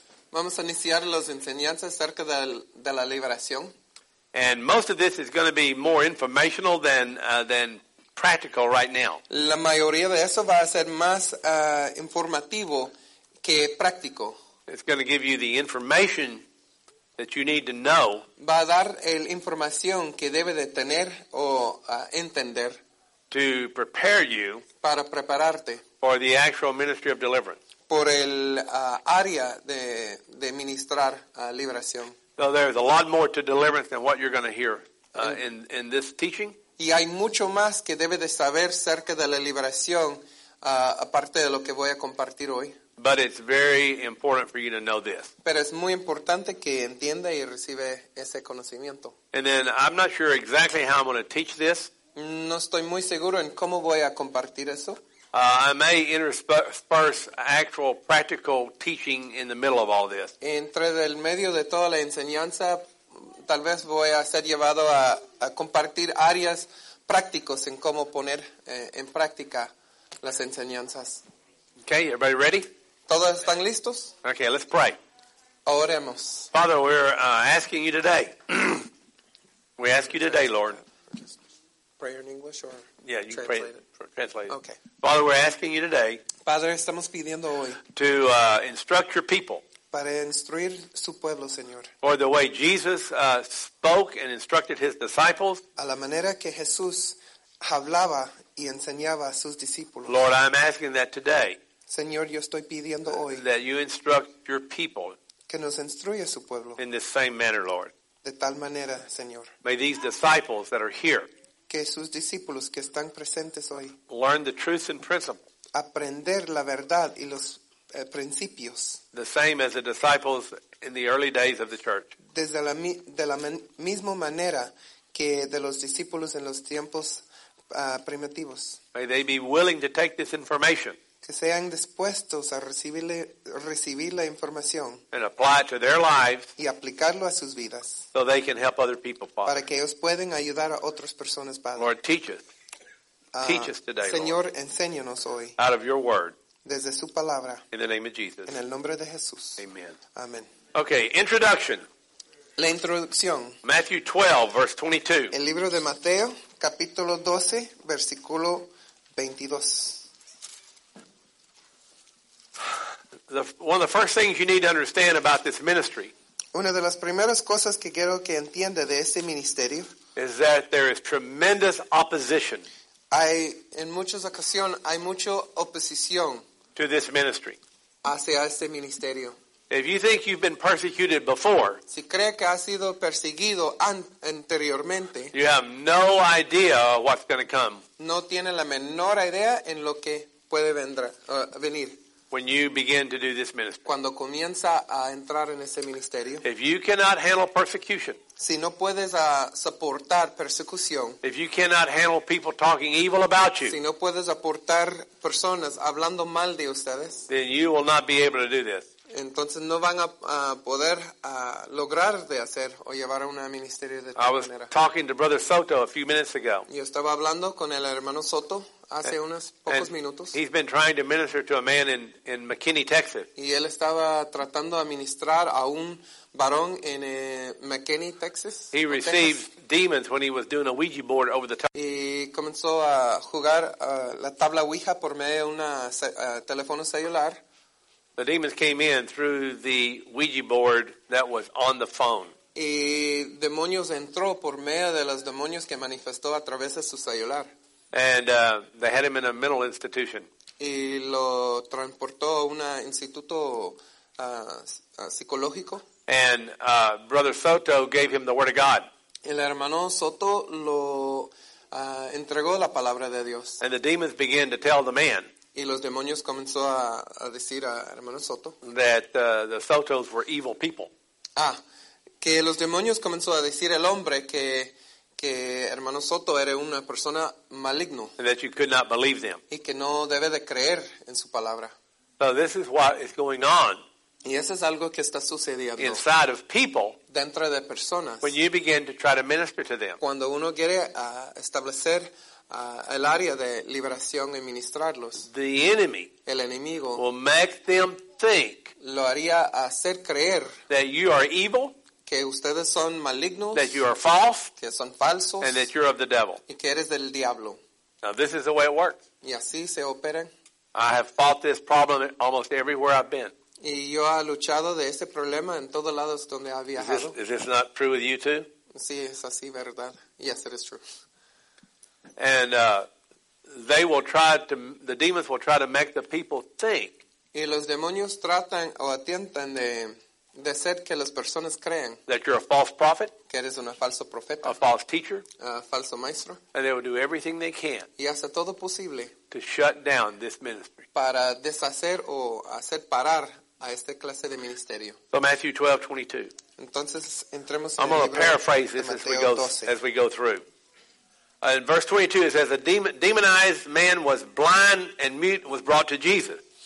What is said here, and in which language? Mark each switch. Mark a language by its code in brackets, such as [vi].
[es] Vamos a iniciar las enseñanzas acerca de la liberación. [en] And most of this is going to be more informational than practical right now. [es] La mayoría de eso va a ser más informativo que práctico. [en] It's going to give you the information that you need to know. [es] Va a dar el información que debe de tener o entender. [en] To prepare you. [es] Para prepararte. [en] For the actual ministry of deliverance. [es] Por el área de ministrar liberación. [en] So there's a lot more to deliverance than what you're going to hear in this teaching. [es] Y hay mucho más que debe de saber cerca de la liberación, aparte de lo que voy a compartir hoy. [en] But it's very important for you to know this. [es] Pero es muy importante que entienda y reciba ese conocimiento. [en] And then I'm not sure exactly how I'm going to teach this. [es] No estoy muy seguro en cómo voy a compartir eso. [en] I may intersperse actual practical teaching in the middle of all this. [es] Entre el medio de toda la enseñanza, tal vez voy a ser llevado a compartir áreas prácticas en cómo poner en práctica las enseñanzas. [en] Okay, everybody ready? [es] ¿Todos están listos? [en] Okay, let's pray. [es] Oremos. [en] Father, we're asking you today. We ask you today, Lord. Pray in English or yeah, you translate pray. It. Translated. Okay. Father, we're asking you today. [es] Padre, estamos pidiendo hoy [en] to instruct your people. [es] Para instruir su pueblo, Señor. [en] Or the way Jesus spoke and instructed his disciples. [es] A la manera que Jesús hablaba y enseñaba a sus discípulos. [en] Lord, I'm asking that today. [es] Señor, yo estoy pidiendo hoy [en] that you instruct your people. [es] Que nos instruya su pueblo. [en] In the same manner, Lord. [es] De tal manera, Señor. [en] May these disciples that are here. [es] Que sus discípulos que están presentes hoy [en] learn the truth and principle. [es] Aprender la verdad y los principios. [en] The same as the disciples in the early days of the church. [es] Desde la misma manera que de los discípulos en los tiempos primitivos. [en] May they be willing to take this information. [es] Que sean dispuestos a recibir la información. [en] And apply it to their lives. [es] Y aplicarlo a sus vidas. [en] So they can help other people, Father. [es] Para que ellos puedan ayudar a otras personas, Padre. [en] Lord, teach us. Teach us today, [es] Señor, [en] Lord. [es] Enséñanos hoy. [en] Out of your word. [es] Desde su palabra. [en] In the name of Jesus. [es] En el nombre de Jesús. [en] Amen. [es] Amen. [en] Okay, introduction. [es] La introducción. [en] Matthew 12, verse 22. [es] El libro de Mateo, capítulo 12, versículo 22. [en] One of the first things you need to understand about this ministry. [es] Una de las primeras cosas que quiero que entienda de este ministerio. [en] Is that there is tremendous opposition. [es] Hay en muchas ocasiones hay mucha oposición. [en] To this ministry. [es] Hacia este ministerio. [en] If you think you've been persecuted before. [es] Si cree que ha sido perseguido anteriormente. [en] You have no idea what's going to come. [es] No tiene la menor idea en lo que puede venir. [en] When you begin to do this ministry. [es] Cuando comienza a entrar en ese ministerio. [en] If you cannot handle persecution. [es] Si no puedes soportar persecución. [en] If you cannot handle people talking evil about you. [es] Si no puedes soportar personas hablando mal de ustedes. [en] Then you will not be able to do this. [es] Entonces no van a poder lograr de hacer o llevar a un ministerio de tal manera. [en] I was talking to Brother Soto a few minutes ago. [es] Yo estaba hablando con el hermano Soto. Hace unos pocos minutos. [en] He's been trying to minister to a man in McKinney, Texas. [es] Y él estaba tratando de ministrar a un varón en McKinney, Texas. [en] He received demons when he was doing a Ouija board over the telephone. [es] Y comenzó a jugar la tabla Ouija por medio de un teléfono celular. [en] The demons came in through the Ouija board that was on the phone. [es] Y demonios entró por medio de los demonios que manifestó a través de su celular. [en] And they had him in a mental institution. [es] Y lo transportó a un instituto psicológico. [en] And Brother Soto gave him the word of God. [es] El hermano Soto lo entregó la palabra de Dios. [en] And the demons began to tell the man. [es] Y los demonios comenzó a decir a hermano Soto. [en] That the Sotos were evil people. [es] Ah, que los demonios comenzó a decir el hombre que. Que hermano Soto era una persona maligno. [en] And that you could not believe them. [es] Y que no debe de creer en su palabra. [en] So this is what is going on. [es] Y eso es algo que está sucediendo. [en] Inside of people. [es] Dentro de personas. [en] When you begin to try to minister to them. [es] Cuando uno quiere establecer el área de liberación y ministrarlos. [en] The enemy. [es] El enemigo. [en] Will make them think. [es] llevaría a hacer creer [en] that you are evil, [es] que ustedes son malignos, [en] that you are false, [es] que son falsos, [en] and that you're of the devil. [es] Y que eres del diablo. [en] Now this is the way it works. [es] Y así se opera. [en] I have fought this problem almost everywhere I've been. [es] Y yo he luchado de este problema en todos lados donde he viajado. [en] Is this not true with you too? [es] Sí, es así, verdad. [en] Yes, it is true. And they will try to, the demons will try to make the people think. [es] Y los demonios tratan o atientan de hacer que las personas crean. [en] That you're a false prophet. [es] Que eres un falso profeta. [en] A false teacher. [es] A falso maestro. [en] And they will do everything they can. [es] Y hace todo posible. [en] To shut down this ministry. [es] Para deshacer o hacer parar a esta clase de ministerio. [en] So Matthew 12:22. [es] Entonces, entremos en el libro. [en] I'm going to paraphrase this as we go through. In verse 22, it says a demonized man was blind and mute and was brought to Jesus.